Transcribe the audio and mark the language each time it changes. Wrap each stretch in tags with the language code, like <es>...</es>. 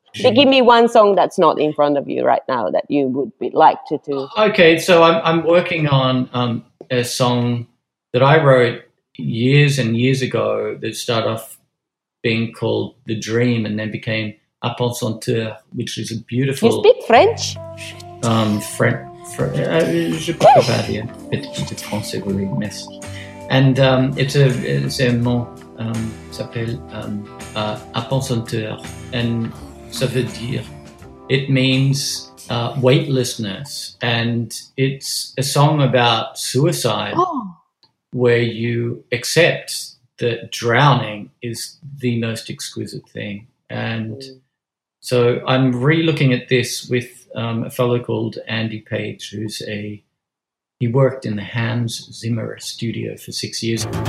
<en>So give me one song that's not in front of you right now that you would be like to do. Okay, so I'm working on a song that I wrote years and years ago that started off being called The Dream and then became Apensanteur, which is a beautiful... You speak French?</en> <fr>Je peux pas dire, petit de français, oui, merci.</fr> <en>And it's a</en> <fr>mot, s'appelle Apensanteur,</fr> <en>and...</en> <fr>Ça veut dire,</fr> <en>it means weightlessness, and it's a song about suicide where you accept that drowning is the most exquisite thing. And so I'm re-looking at this with a fellow called Andy Page, who's he worked in the Hans Zimmer studio for 6 years.</en>